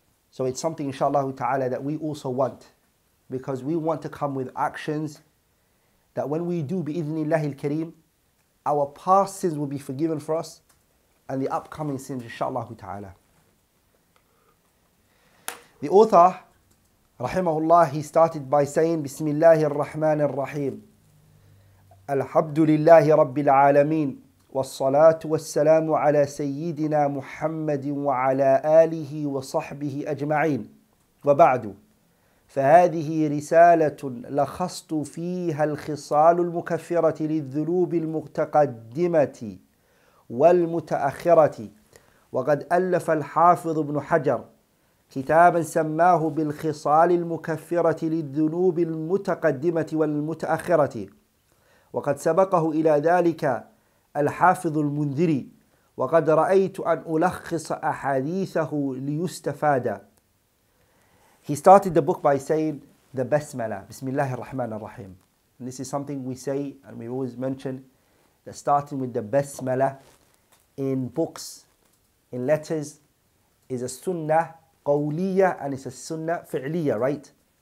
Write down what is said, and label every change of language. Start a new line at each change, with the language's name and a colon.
English: So it's something, inshallah ta'ala, that we also want, because we want to come with actions that when we do bi-idhnillahi al-kareem, our past sins will be forgiven for us and the upcoming sins, inshallah ta'ala. The author, rahimahullah, he started by saying, Bismillahir Rahmanir Rahim, Alhamdulillahi Rabbil Alameen,
Arabic: والصلاة والسلام على سيدنا محمد وعلى آله وصحبه أجمعين وبعد فهذه رسالة لخصت فيها الخصال المكفرة للذنوب المتقدمة والمتأخرة. وقد ألف الحافظ ابن حجر كتابا سماه بالخصال المكفرة للذنوب المتقدمة والمتأخرة، وقد سبقه إلى ذلك الحافظ المنذري، وقد رأيت أن ألخص أحاديثه ليستفاد.
English: He started the book by saying the basmala, Bismillah ar-Rahman ar-Rahim. And this is something we say and we always mention, that starting with the basmala in books, in letters, is a sunnah qawliya and it's a sunnah fi'liya, right?